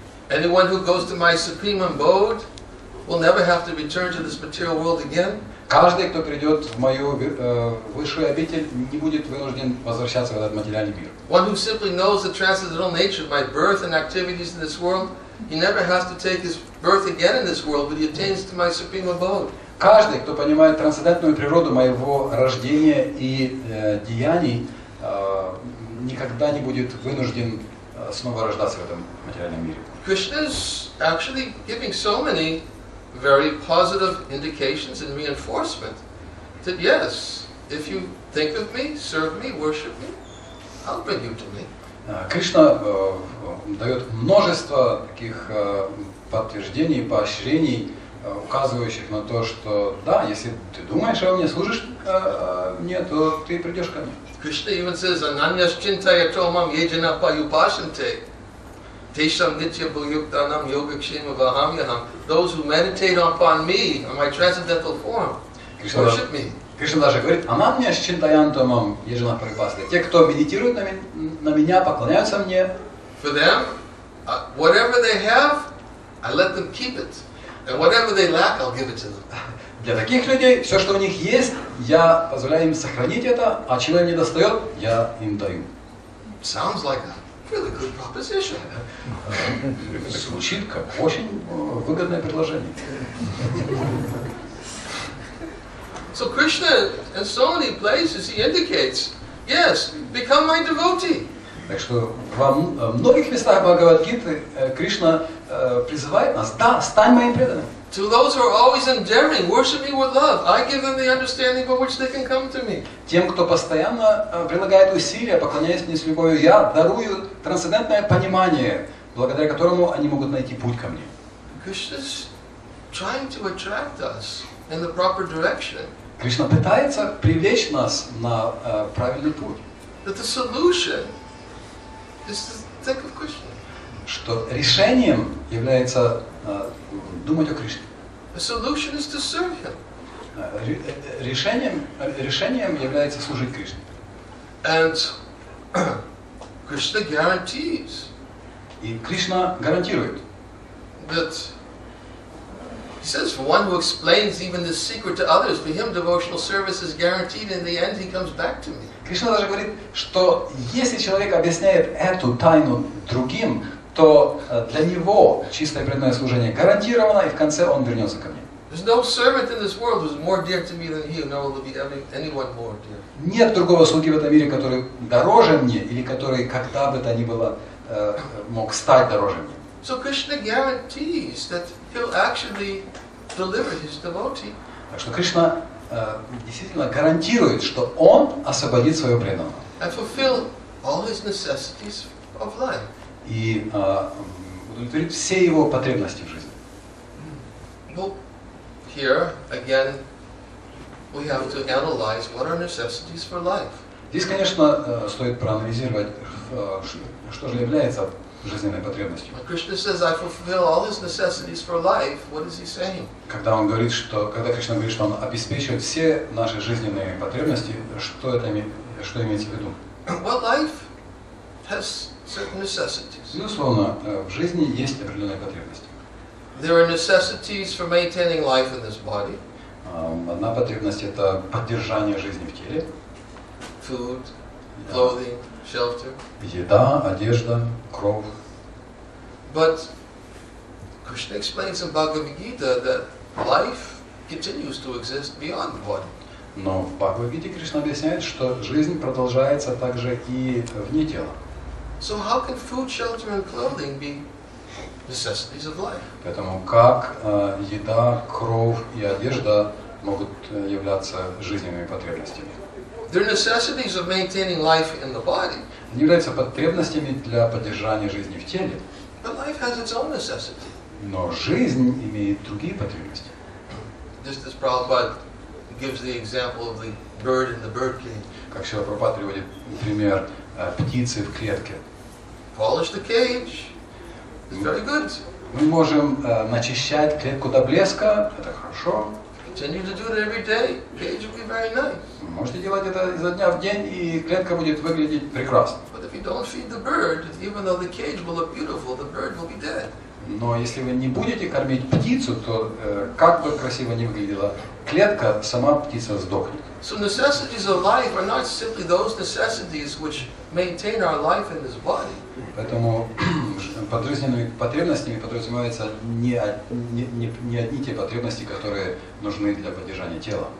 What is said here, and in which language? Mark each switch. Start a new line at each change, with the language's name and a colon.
English: Anyone who goes to my supreme abode will never have to return to this material world again.
Russian: Каждый, кто придет в мою высшую обитель, не будет вынужден возвращаться в этот материальный мир.
English: One who simply knows the transcendental nature of my birth and activities in this world, he never has to take his birth again in this world, but he attains to my supreme abode.
Russian: Каждый, кто понимает трансцендентную природу моего рождения и деяний, никогда не будет вынужден снова рождаться в этом материальном мире.
English: Krishna is actually giving so many very positive indications and reinforcement that yes, if you think of me, serve me, worship me, I'll bring you to me.
Russian: Кришна дает множество таких подтверждений, поощрений, указывающих на то, что да, если ты думаешь обо мне, служишь мне, то ты придешь ко мне.
Sanskrit: Кришна
English: even says,
Sanskrit: "Ananyas chintayatomam yejana payupashante, tesham nitya bhuyuktanam yogakshema vahamyaham."
English: Those who meditate upon me, on my transcendental form, Krishna, worship me.
Sanskrit: Кришна
Russian: даже говорит,
Sanskrit: "Ананьяс чинтаянтамам ежена парипасте."
Russian: Те, кто медитирует на меня, поклоняются мне.
English: For them, whatever they have, I let them keep it, and whatever they lack, I'll give it to them.
Russian: Для таких людей все, что у них есть, я позволяю им сохранить это, а чего им недостает, я им даю.
English: Sounds like a really good proposition.
Russian: Звучит как очень выгодное предложение.
English: So Krishna in so many places he indicates, yes, become my devotee.
Russian: Так что во многих местах Бхагавад-гиты Кришна призывает нас: да, стань моим преданным.
English: To those who are always enduring, worship me with love. I give them the understanding by which they can come to me.
Russian: Тем, кто постоянно прилагает усилия, поклоняясь мне с любовью, я дарую трансцендентное понимание, благодаря которому они могут найти путь ко мне.
English: Krishna's trying to attract us in the proper direction.
Russian: Кришна пытается привлечь нас на правильный путь.
English: That the solution is to think of Krishna.
Russian: Что решением является думать о Кришне.
English: The solution is to serve him.
Russian: Решением является служить Кришне.
English: And Krishna guarantees.
Russian: И Кришна гарантирует.
English: That he says, for one who explains even the secret to others, for him devotional service is guaranteed. In the end, he comes back to me.
Russian: Кришна даже говорит, что если человек объясняет эту тайну другим, то для него чистое преданное служение гарантировано, и в конце он вернется ко мне.
English: There's no servant in this world who's more dear to me than he, nor will there be anyone more dear.
Russian: Нет другого слуги в этом мире, который дороже мне, или который когда бы то ни было мог стать дороже мне.
English: So Krishna guarantees that he'll actually deliver his devotee.
Russian: Так что Кришна действительно гарантирует, что он освободит своего преданного.
English: And fulfill all his necessities of life.
Russian: И удовлетворит все его потребности в жизни.
English: Well, here again we have to analyze what are necessities for life.
Russian: Здесь, конечно, стоит проанализировать, что же является жизненной потребностью.
English: When Krishna says I fulfill all his necessities for life, what is he saying?
Russian: Когда Кришна говорит, что он обеспечивает все наши жизненные потребности, что имеется в виду?
English: Well, life has certain necessities.
Russian: Безусловно, в жизни есть определенные потребности.
English: There are necessities for maintaining life in this body.
Russian: Одна потребность – это поддержание жизни в теле.
English: Food, clothing, shelter.
Russian: Еда, одежда, кров.
English: But Krishna explains in Bhagavad Gita that life continues to exist beyond the body.
Russian: Но в Бхагавад-гите Кришна объясняет, что жизнь продолжается также и вне тела.
English: So how can food, shelter, and clothing be necessities of life?
Russian: Поэтому как еда, кров и одежда могут являться жизненными потребностями?
English: They're necessities of maintaining life in the body.
Russian: Они являются потребностями для поддержания жизни в теле.
English: But life has its own necessity.
Russian: Но жизнь имеет другие потребности.
English: Just as Prabhupada gives the example of the bird in the birdcage.
Russian: Как Шрила Прабхупада приводит пример птицы в клетке.
English: Polish the cage. It's very good.
Russian: Мы можем начищать клетку до блеска. Это хорошо.
English: Continue to do it every day. Cage will be very nice.
Russian: Можете делать это изо дня в день, и клетка будет выглядеть прекрасно.
English: But if you don't feed the bird, even though the cage will look beautiful, the bird will be dead.
Russian: Но если вы не будете кормить птицу, то как бы красиво ни выглядела клетка, сама птица сдохнет.
English: So necessities of life are not simply those necessities which maintain our life in this body.
Russian: Поэтому под жизненными потребностями подразумеваются не одни те потребности, которые нужны для поддержания тела.